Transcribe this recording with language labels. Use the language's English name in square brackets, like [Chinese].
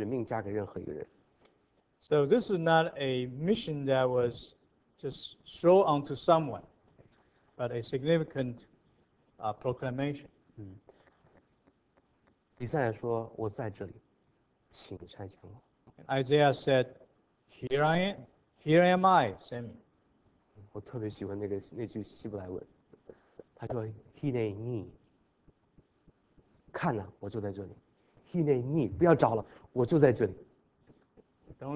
[Chinese] 接下来是完美的，是完美对呼召的回应。所以这不是一个特别的一个使命加给任何一个人。 [English] So this is not a mission that was just thrown onto someone, but a significant proclamation. [Chinese] 以赛亚说：“我在这里，请差遣我。”Isaiah [English] said, here I am, send me. [Chinese] 我特别喜欢那句希伯来文，他说： [Hebrew] “Hinei ni， [Chinese] 看哪，我就在这里。” [Hebrew] Hinei ni， [Chinese] 不要找了，我就在这里。 [English] Don't